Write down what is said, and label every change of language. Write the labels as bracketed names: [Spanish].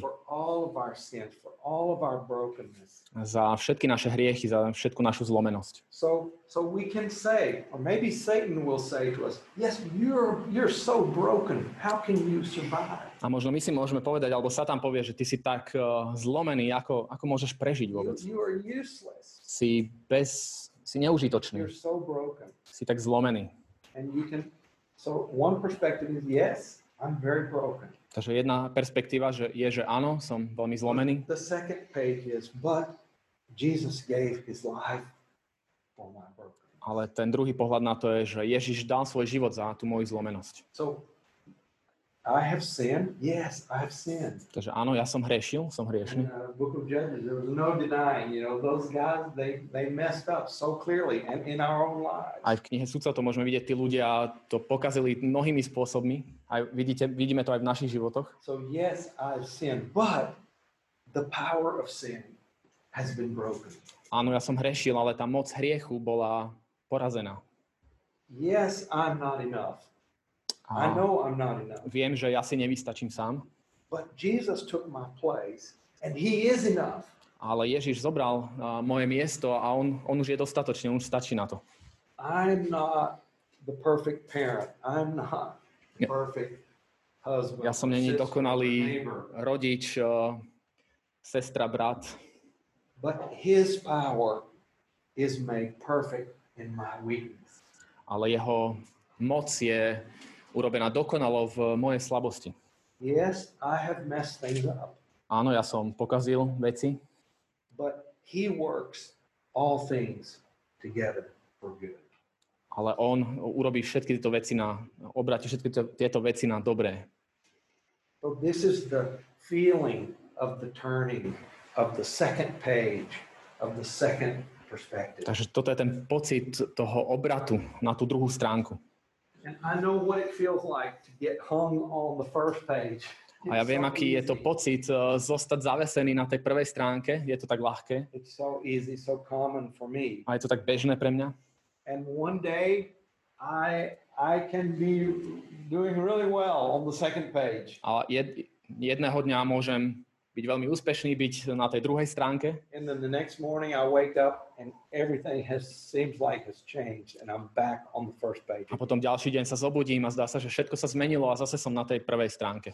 [English] For all of our sins, for all of our brokenness. [Slovak] Za všetky naše hriechy, za všetku našu zlomenosť. [English] So we can say, or maybe Satan will say to us, yes, you're so broken. How can you survive? [Slovak] A možno my si môžeme povedať, alebo Satan povie, že ty si tak zlomený, ako môžeš prežiť vôbec. [English] You are useless. [Slovak] Si neužitočný. [English] You're so broken. [Slovak] Si tak zlomený. [English] And you can, so one perspective is yes, I'm very broken. [Slovak] Takže jedna perspektíva je, že áno, som veľmi zlomený. [English] The second page is, but Jesus gave his life for my brokenness. [Slovak] Ale ten druhý pohľad na to je, že Ježiš dal svoj život za tú moju zlomenosť. [English] So, I have sinned. Yes, I have sinned. [Slovak] Takže áno, ja som hriešil, som hriešný. [English] Book of Judges, there was no denying, you know, those guys, they messed up so clearly and in our own lives. [Slovak] Aj v knihe Sudcov to môžeme vidieť, tí ľudia to pokazili mnohými spôsobmi. Aj vidíme to aj v našich životoch. [English] So yes, I have sinned, but the power of sin has been broken. [Slovak] Áno, ja som hriešil, ale tá moc hriechu bola porazená. [English] Yes, I'm not enough. I know I'm not enough. [Slovak] Viem, že ja si nevystačím sám. [English] But Jesus took my place and he is enough. [Slovak] Ale Ježiš zobral moje miesto a on už je dostatočný, on už stačí na to. [English] I'm not the perfect parent. I'm not the perfect husband. [Slovak] Ja som není dokonalý rodič, sestra, brat. [English] But his power is made perfect in my weakness. [Slovak] Ale jeho moc je urobená dokonalo v mojej slabosti. [English] Yes, I have messed things up. [Slovak] Áno, ja som pokazil veci. [English] But he works all things together for good. [Slovak] Ale on urobí všetky tieto veci na obrati, všetky tieto veci na dobré. [English] So this is the feeling of the turning of the second page of the second perspective. [Slovak] Takže toto je ten pocit toho obratu na tú druhú stránku. [English] And I know what it feels like to get hung on the first page. [Slovak] A ja viem, aký je to pocit zostať zavesený na tej prvej stránke. Je to tak ľahké. [English] It's so easy, so common for me. [Slovak] A je to tak bežné pre mňa. [English] And one day I can be doing really well on the second page. [Slovak] A jedného dňa môžem byť veľmi úspešný, byť na tej druhej stránke. [English] And then the next morning I wake up and everything has seems like has changed and I'm back on the first page. [Slovak] A potom ďalší deň sa zobudím a zdá sa, že všetko sa zmenilo a zase som na tej prvej stránke.